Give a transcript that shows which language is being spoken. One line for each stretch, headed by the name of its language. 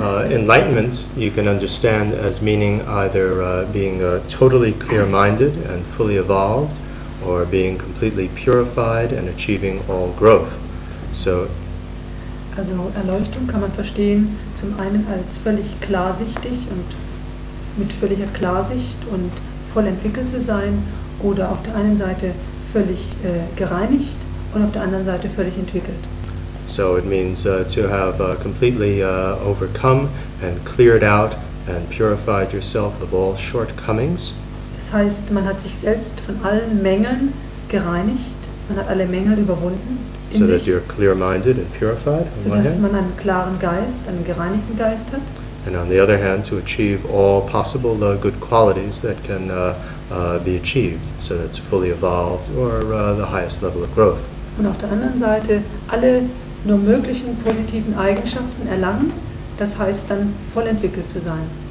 English: Enlightenment, you can understand as meaning either being totally clear-minded and fully evolved, or being completely purified and achieving all growth. So,
German: also Erleuchtung kann man verstehen zum einen als völlig klarsichtig und mit völliger Klarsicht und voll entwickelt zu sein, oder auf der einen Seite völlig gereinigt und auf der anderen Seite völlig entwickelt.
English: So it means to have completely overcome and cleared out and purified yourself of all shortcomings.
German: Das heißt, man hat sich selbst von allen Mängeln gereinigt, man hat alle Mängel überwunden.
English: So that you're clear-minded and purified.
German: So dass man einen klaren Geist, einen gereinigten Geist hat.
English: And on the other hand, to achieve all possible good qualities that can be achieved. So that's fully evolved or the highest level of growth.
German: Und auf der anderen Seite alle nur möglichen positiven Eigenschaften erlangen, das heißt dann voll entwickelt zu sein.